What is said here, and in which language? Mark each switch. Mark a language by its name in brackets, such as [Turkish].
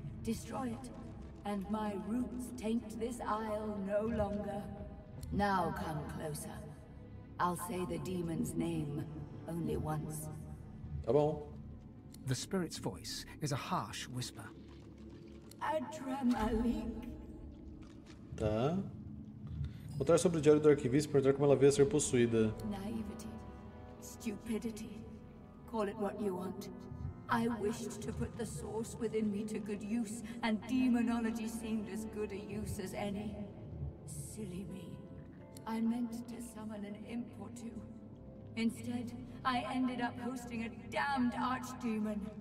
[English] Destroy it, and my roots taint this isle no longer. Now come closer. I'll say the demon's name only once. [Portuguese] Tá bom. [English] The spirit's voice is a harsh whisper. Adramalik. [Portuguese] Tá. Contar sobre o diário do arquivista, perguntar como ela veio a ser possuída. [English] Naivety, stupidity, call it what you want. I wished to put the source within me to good use, and demonology seemed as good a use as any. Silly me. I meant to summon an imp or two. Instead, I ended up hosting a damned archdemon.